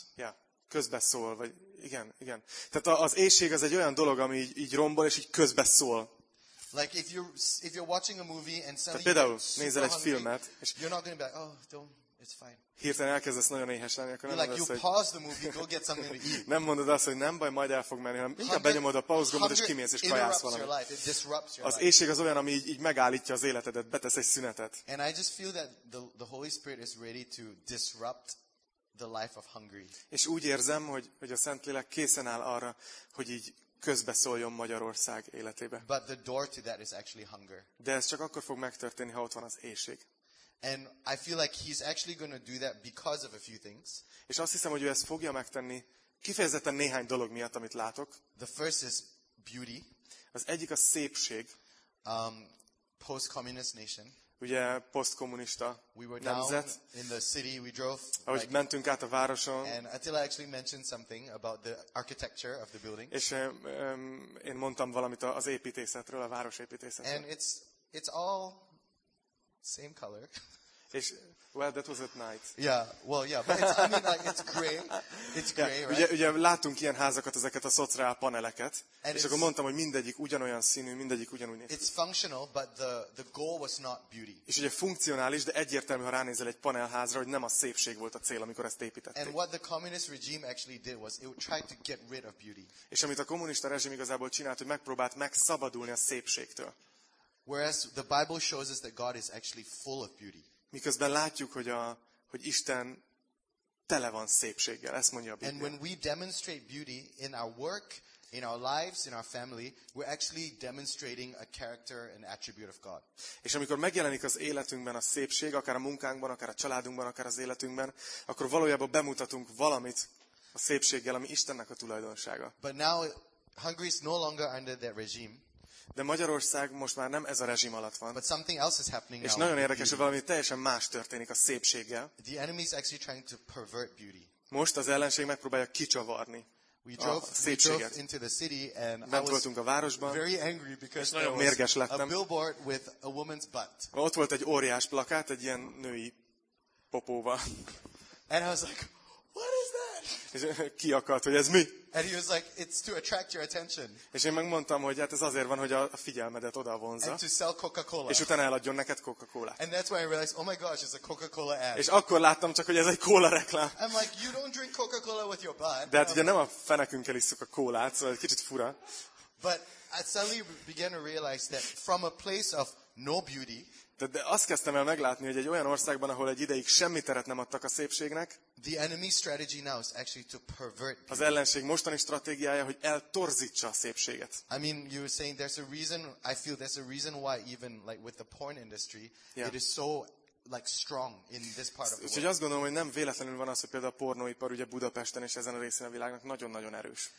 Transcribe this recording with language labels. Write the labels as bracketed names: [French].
[Hungarian] Yeah, közbeszól, vagy igen, igen. Tehát az éhség az egy olyan dolog, ami így rombol, és így közbeszól. [English] Like if you're watching a movie and suddenly... [Hungarian] Például nézel egy filmet, és... [English] You're not going to be like, oh, don't, it's fine. [Hungarian] Hirtelen elkezdesz nagyon éhes lenni, akkor [English] you're [Hungarian] nem [English] like, [Hungarian] mondod azt, hogy... [English] Movie, go get something to eat. [Hungarian] Nem mondod azt, hogy nem baj, majd el fog menni, hanem inkább benyomod a pause gombot, és kimész, és kajász valami. Az éhség az olyan, ami így megállítja az életedet, betesz egy szünetet. [English] And I just feel that the Holy Spirit is ready to disrupt the life of hungry. [Hungarian] És úgy érzem, hogy a Szentlélek készen áll arra, hogy így közbeszóljon Magyarország életébe. [English] But the door to that is actually hunger. [Hungarian] De ez csak akkor fog megtörténni, ha ott van az éhség. [English] And I feel like he's actually going to do that because of a few things. [Hungarian] És azt hiszem, hogy ő ezt fogja megtenni kifejezetten néhány dolog miatt, amit látok. [English] The first is beauty. [Hungarian] Az egyik a szépség. [English] Post-communist nation. [Hungarian] ugye posztkommunista nemzet. [English] In the city we drove, [Hungarian] ahogy [English] like, [Hungarian] mentünk át a városon. [English] And Attila actually mentioned something about the architecture of the building. [Hungarian] És én mondtam valamit az építészetről, a városépítészetről. [English] And it's all same color. [Hungarian] És [English] well, that was at night. Yeah, well, yeah, but it's gray. It's gray, yeah, right? [Hungarian] Ugye látunk ilyen házakat, ezeket a szociál paneleket, [English] and [Hungarian] és akkor mondtam, hogy mindegyik ugyanolyan színű, mindegyik ugyanúgy néz. [English] It's functional, but the goal was not beauty. [Hungarian] És ugye funkcionális, de egyértelmű, ha ránézel egy panelházra, hogy nem a szépség volt a cél, amikor ezt építették. [English] And what the communist regime actually did was it tried to get rid of beauty. [Hungarian] És amit a kommunista rezsim igazából csinált, hogy megpróbált megszabadulni a szépségtől. [English] Whereas the Bible shows us that God is actually full of beauty. [Hungarian] Miközben látjuk, hogy Isten tele van szépséggel, ezt mondja a Biblia. [English] And when we demonstrate beauty in our work, in our lives, in our family, we're actually demonstrating a character and attribute of God. [Hungarian] És amikor megjelenik az életünkben a szépség, akár a munkánkban, akár a családunkban, akár az életünkben, akkor valójában bemutatunk valamit a szépséggel, ami Istennek a tulajdonsága. [English] But now Hungary is no longer under that regime. [Hungarian] De Magyarország most már nem ez a rezsim alatt van. [English] But something else is happening [Hungarian] és [English] now. [Hungarian] És nagyon érdekes, hogy valami teljesen más történik a szépséggel. [English] The enemy is actually trying to pervert beauty. [Hungarian] Most az ellenség megpróbálja kicsavarni a szépséget. [English] We drove into the city and [Hungarian] bent voltunk a városban. [English] Very angry because [Hungarian] nagyon mérges lettem. [English] A billboard with a woman's butt. [Hungarian] Ott volt egy óriás plakát egy ilyen női popóval. [English] And I was like, what is that? [Hungarian] És ki akart, hogy ez mi? [English] And he was like, it's to attract your attention. [Hungarian] És én megmondtam, hogy hát ez azért van, hogy a figyelmedet oda vonza. [English] And to sell Coca-Cola. [Hungarian] És utána eladjon neked Coca-Colát. [English] And that's when I realized, oh my gosh, it's a Coca-Cola ad. [Hungarian] És akkor láttam csak, hogy ez egy kóla reklám. [English] I'm like, you don't drink Coca-Cola with your butt. [Hungarian] De hát ugye nem a fenekünkkel isszuk a kólát, szóval kicsit fura. [English] But I suddenly began to realize that from a place of no beauty. [Hungarian] De azt kezdtem el meglátni, hogy egy olyan országban, ahol egy ideig semmi teret nem adtak a szépségnek, [English] the enemy strategy now is actually to pervert beauty. [Hungarian] Az ellenség mostani stratégiája, hogy eltorzítsa a szépséget. [English] I mean, you were saying there's a reason, I feel there's a reason why even like with the porn industry, yeah, it is so like strong in this part of the world. [Hungarian] Úgyhogy azt gondolom, hogy nem véletlenül van az, hogy például a pornóipar ugye Budapesten és ezen a részén a világnak nagyon-nagyon erős.